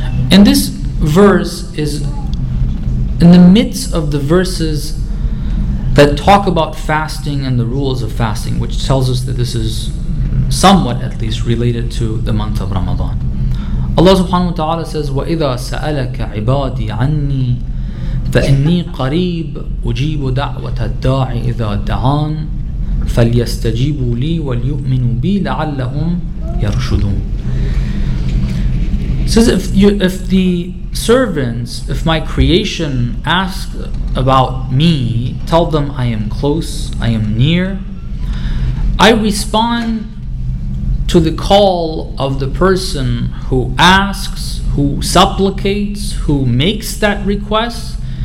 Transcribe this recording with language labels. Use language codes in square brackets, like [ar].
[en] And this verse is in the midst of the verses that talk about fasting and the rules of fasting, which tells us that this is somewhat at least related to the month of Ramadan. Allah subhanahu wa ta'ala says, [ar] وَإِذَا سَأَلَكَ عِبَادِي عَنِّي فَإِنِّي قَرِيبُ أُجِيبُ دَعْوَةَ الدَّاعِ إِذَا دَعَانِ فَلْيَسْتَجِيبُوا لِي وَلْيُؤْمِنُوا بِي لَعَلَّهُمْ يَرْشُدُونَ. [en] Says, if the servants, if my creation ask about me, tell them I am close, I am near, I respond to the call of the person who asks, who supplicates, who makes that request.